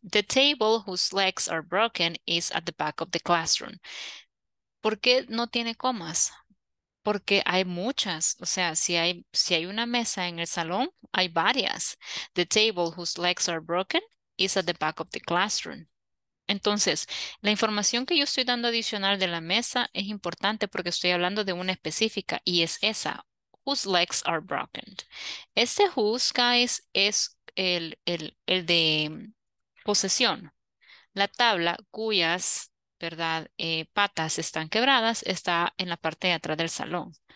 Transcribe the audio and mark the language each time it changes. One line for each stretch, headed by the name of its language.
English: The table whose legs are broken is at the back of the classroom.
Spanish: ¿Por qué no tiene comas? Porque hay muchas, o sea, si hay una mesa en el salón, hay varias.
English: The table whose legs are broken is at the back of the classroom.
Spanish: Entonces, la información que yo estoy dando adicional de la mesa es importante porque estoy hablando de una específica y es esa,
English: whose legs are broken.
Spanish: Este whose, guys, es el de posesión. La tabla cuyas, ¿verdad? Patas están quebradas, está en la parte de atrás del salón.